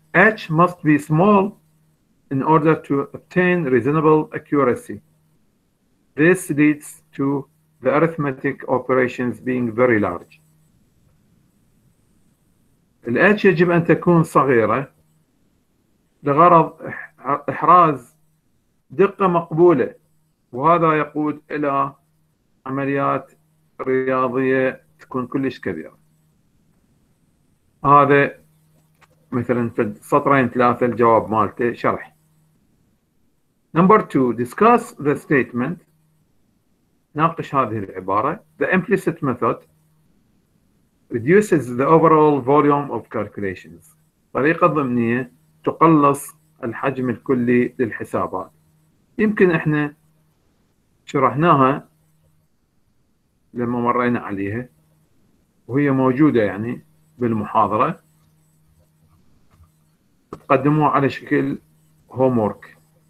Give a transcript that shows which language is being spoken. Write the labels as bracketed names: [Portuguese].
[English] H must be small in order to obtain reasonable accuracy. This leads to the arithmetic operations being very large. [Arabic] الـ H يجب أن تكون صغيرة لغرض إحراز دقة مقبولة، وهذا يقود إلى عمليات رياضية تكون كلش كبيرة. هذا مثلاً في سطرين ثلاثة الجواب مالتي شرح. [English] Number two, discuss the statement. [Arabic] ناقش هذه العبارة. [English] The implicit method reduces the overall volume of calculations. [Arabic] طريقة ضمنية تقلص الحجم الكلي للحسابات. يمكن احنا شرحناها لما مرينا عليها وهي موجودة يعني بالمحاضرة، تقدموها على شكل homework.